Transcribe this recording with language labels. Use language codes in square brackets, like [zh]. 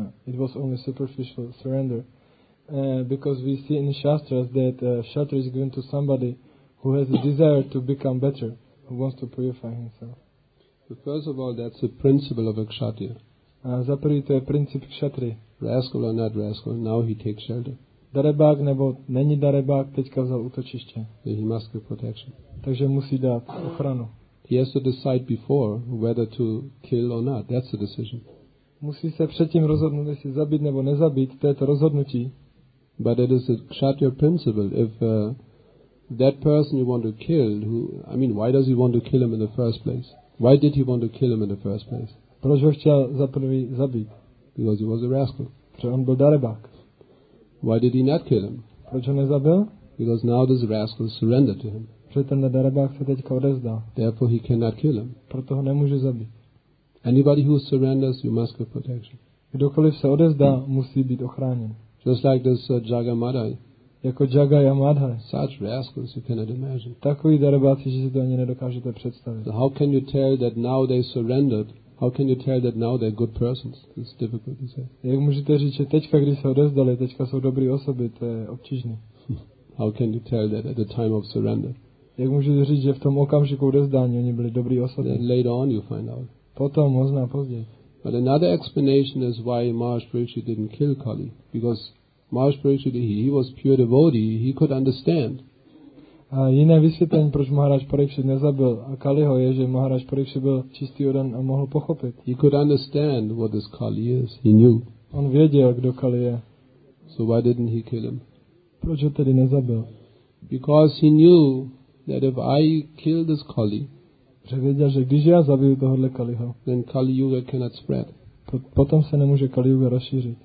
[en] It was only superficial surrender. Because we see in Shastras that shelter is given to somebody who has a desire to become better, who wants to purify himself. So first of all, that's the principle of a kshatriya. [cs] Za prvý to je princip kshatri. [en] Rascal or not rascal, now he takes shelter. [cs] Darebák nebo není darebák, teďka vzal útočiště. [en] He must give protection. [cs] Takže musí dát ochranu. [en] He has to decide before whether to kill or not. That's the decision. [cs] Musí se předtím rozhodnout, jestli zabít nebo nezabít. To je to rozhodnutí. [en] But it is a kshatriya principle. If that person you want to kill, why does he want to kill him in the first place? Why did he want to kill him in the first place? [cs] Proč ho chtěl za prvý zabít? [en] Because he was a rascal. [cs] Protože on byl darebák. [en] Why did he not kill him? [cs] Proč ho nezabil? [en] Because now this rascal surrendered to him. [cs] Ten nedarabák se teďka odevzdal. [en] Therefore he cannot kill him. [cs] Proto ho nemůže zabít. [en] Anybody who surrenders, you must give protection. [cs] Kdokoliv se odevzdá, musí být ochráněn. [en] Just like this Jagamada. [cs] Jako Jagaya Madhai. [en] Such rascals you cannot imagine. [cs] Takový darabáci, že si to ani nedokážete představit. [en] So how can you tell that now they surrendered? How can you tell that now they're good persons? It's difficult to say. [cs] Jak můžete říct, že teďka, když se odevzdali, teďka jsou dobrý osoby, to je obtížné. [en] How can you tell that at the time of surrender? [cs] Jak můžete říct, že v tom okamžiku odevzdání oni byli dobrý osoby? [en] Then later on you find out. [cs] Potom, možná později. [en] But another explanation is why Maharaj Parikshit didn't kill Kali. Because Maharaj Parikshit, he was pure devotee, he could understand. [cs] A jiné vysvětlení, proč Maharaj Parikshit nezabil a Kaliho, je, že Maharaj Parikshit byl čistý odan a mohl pochopit. [en] He could understand what this Kali is. He knew. [cs] On věděl, kdo Kali je. [en] So why didn't he kill him? [cs] Proč ho tedy nezabil? [en] Because he knew that if I kill this Kali, [cs] že věděl, že když já zabiju tohohle Kaliho, [en] then Kali Yuga cannot spread. [cs] Potom se nemůže Kali Yuga rozšířit.